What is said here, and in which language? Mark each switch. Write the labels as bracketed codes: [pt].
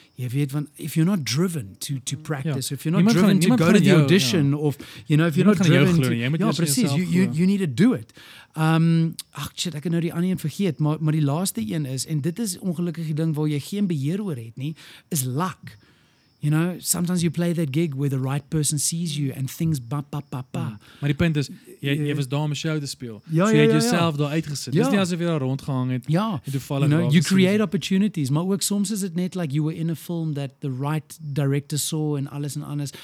[af] Jy weet, want [en] if you're not driven to practice, if you're not driven to go to the audition, of, you know, if you're not driven to... you need to do it. [af] Ek het nou die ander een vergeet, maar die laaste een is, en dit is ongelukkig die ding waar jy geen beheer oor het nie, is luck. [en] You know, sometimes you play that gig where the right person sees you and things ba-ba-ba-ba. [af] Maar die punt is, jy was daar om 'n show te speel. Jy het jouself daar uitgesit. Dis nie asof jy daar rondgehang het. Ja. En toevallig [en] you know, you create opportunities. [af] Maar ook soms is [en] it net like you were in a film that the right director saw and [af] alles en anders.